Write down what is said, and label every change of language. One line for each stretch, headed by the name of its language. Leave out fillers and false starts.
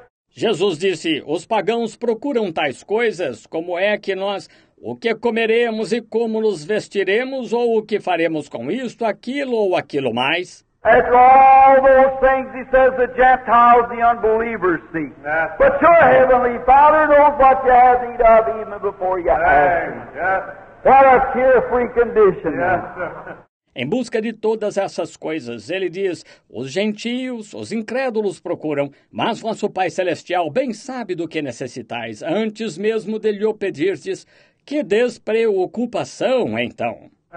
Portuguese: Jesus disse, os pagãos procuram tais coisas, como é que nós, o que comeremos e como nos vestiremos, ou o que faremos com isto, aquilo ou aquilo mais.
English: As all those things, he says, the Gentiles, the unbelievers see. Yes. But your heavenly Father knows what you have need of even before you ask. Yes. What a carefree condition. Yes, sir.
Portuguese: Em busca de todas essas coisas, ele diz, os gentios, os incrédulos procuram, mas vosso Pai Celestial bem sabe do que necessitais, antes mesmo de lhe o pedirdes. Que despreocupação, então!